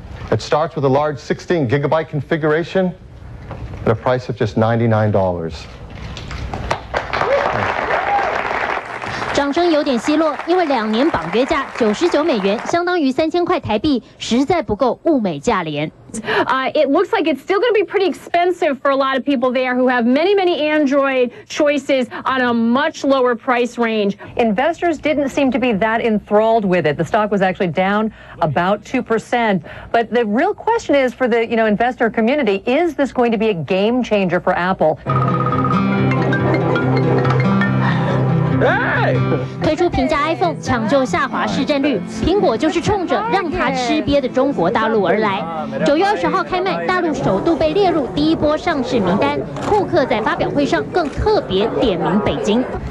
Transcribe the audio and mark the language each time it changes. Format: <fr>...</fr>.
<en>It starts with a large 16GB configuration at a price of just $99.</en> <zh>掌声有点稀落，因为2年绑约价99美元，相当于3000块台币，实在不够物美价廉。</zh> <en>It looks like it's still going to be pretty expensive for a lot of people there who have many, many Android choices on a much lower price range. Investors didn't seem to be that enthralled with it. The stock was actually down about 2%. But the real question is for the, you know, investor community: is this going to be a game changer for Apple?</en> <zh>推出平价 iPhone 抢救下滑市占率，苹果就是冲着让它吃瘪的中国大陆而来。 9月20号开卖，大陆首度被列入第一波上市名单。库克在发表会上更特别点名北京。</zh>